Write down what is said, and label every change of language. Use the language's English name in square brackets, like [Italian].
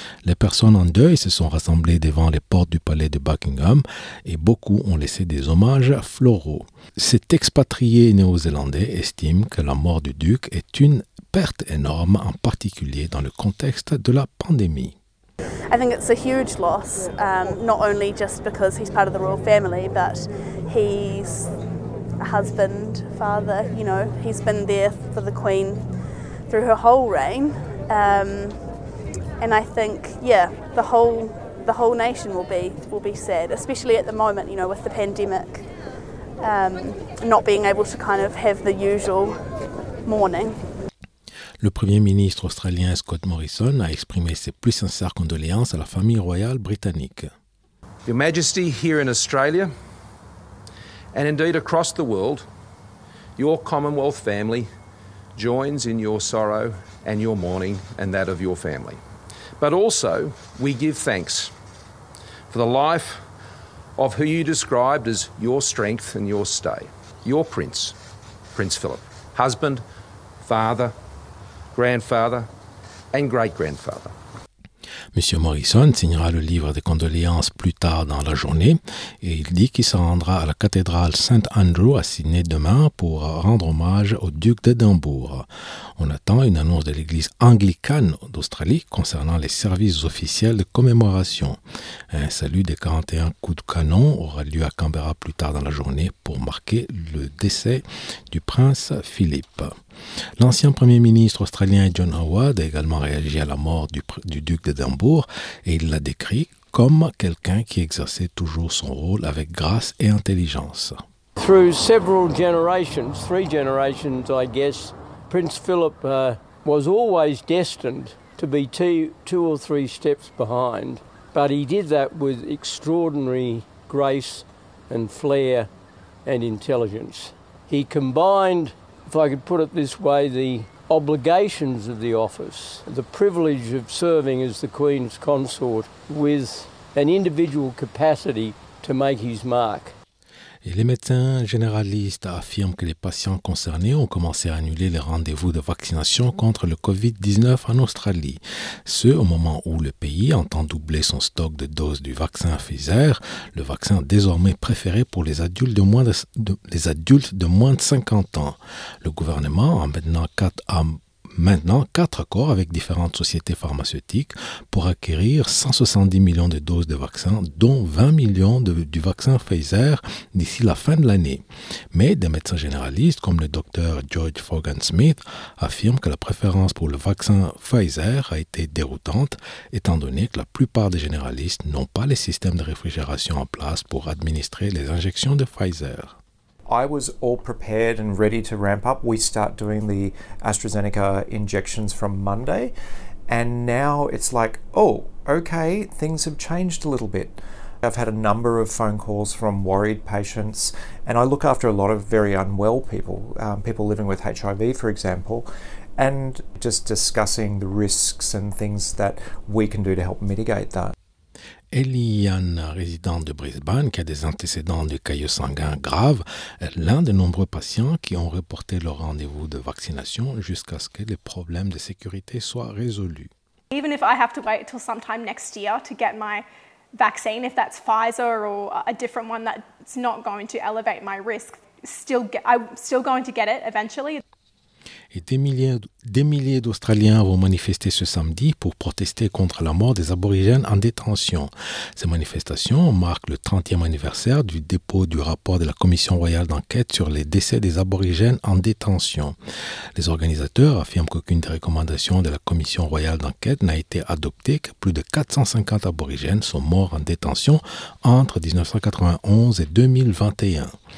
[French] Les personnes en deuil se sont rassemblées devant les portes du palais de Buckingham et beaucoup ont laissé des hommages floraux. Cet expatrié néo-zélandais estime que la mort du duc est une perte énorme, en particulier dans le contexte de la pandémie. [English] I think it's a huge loss, not only just because he's part of the royal family, but he's a husband, father, you know, he's been there for the Queen through her whole reign. And I think, yeah, the whole nation will be sad, especially at the moment, you know, with the pandemic, not being able to kind of have the usual mourning. [French] Le Premier ministre australien Scott Morrison a exprimé ses plus sincères condoléances à la famille royale britannique. [English] Your Majesty, here in Australia, and indeed across the world, your Commonwealth family joins in your sorrow and your mourning and that of your family. But also, we give thanks for the life of who you described as your strength and your stay, your Prince, Prince Philip, husband, father, grandfather, and great-grandfather. [French] Monsieur Morrison signera le livre des condoléances plus tard dans la journée et il dit qu'il se rendra à la cathédrale St. Andrew à Sydney demain pour rendre hommage au duc d'Édimbourg. On attend une annonce de l'église anglicane d'Australie concernant les services officiels de commémoration. Un salut des 41 coups de canon aura lieu à Canberra plus tard dans la journée pour marquer le décès du prince Philippe. L'ancien Premier ministre australien John Howard a également réagi à la mort du duc d'Édimbourg et il l'a décrit comme quelqu'un qui exerçait toujours son rôle avec grâce et intelligence. [English] Through several generations, 3 generations I guess, Prince Philip was always destined to be two or three steps behind, but he did that with extraordinary grace and flair and intelligence. He combined, if I could put it this way, the obligations of the office, the privilege of serving as the Queen's consort, with an individual capacity to make his mark. [French] Et les médecins généralistes affirment que les patients concernés ont commencé à annuler les rendez-vous de vaccination contre le COVID-19 en Australie. Ce, au moment où le pays entend doubler son stock de doses du vaccin Pfizer, le vaccin désormais préféré pour les adultes de moins de 50 ans. Le gouvernement a maintenant 4 à maintenant 4 accords avec différentes sociétés pharmaceutiques pour acquérir 170 millions de doses de vaccins, dont 20 millions du vaccin Pfizer d'ici la fin de l'année. Mais des médecins généralistes comme le docteur George Fogan-Smith affirment que la préférence pour le vaccin Pfizer a été déroutante, étant donné que la plupart des généralistes n'ont pas les systèmes de réfrigération en place pour administrer les injections de Pfizer. [English] I was all prepared and ready to ramp up. We start doing the AstraZeneca injections from Monday. And now it's like, oh, okay, things have changed a little bit. I've had a number of phone calls from worried patients, and I look after a lot of very unwell people, people living with HIV, for example, and just discussing the risks and things that we can do to help mitigate that. [French] Eliane, résidente de Brisbane, qui a des antécédents de caillot sanguin grave, est l'un des nombreux patients qui ont reporté leur rendez-vous de vaccination jusqu'à ce que les problèmes de sécurité soient résolus. [English] Even if I have to wait till sometime next year to get my vaccine, if that's Pfizer or a different one that's not going to elevate my risk, I'm still going to get it eventually. [French] Et des milliers d'Australiens vont manifester ce samedi pour protester contre la mort des aborigènes en détention. Ces manifestations marquent le 30e anniversaire du dépôt du rapport de la Commission royale d'enquête sur les décès des aborigènes en détention. Les organisateurs affirment qu'aucune des recommandations de la Commission royale d'enquête n'a été adoptée, que plus de 450 aborigènes sont morts en détention entre 1991 et 2021.